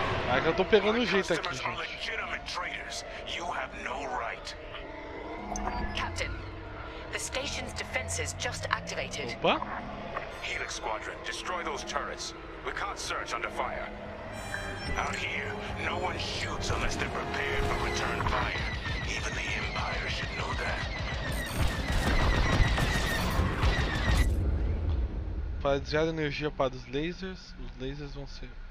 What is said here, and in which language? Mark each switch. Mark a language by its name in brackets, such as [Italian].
[Portuguese] Ai, que eu tô pegando o jeito aqui, gente. [English] You have no right. Captain. The station's defenses just activated. [Portuguese] Opa. [English] Helix Squadron, destroy those turrets. We can't search under fire. Out here, no one shoots unless they're prepared for return fire. Even the Empire should know that. [Portuguese] Para desviar energia para os lasers vão ser.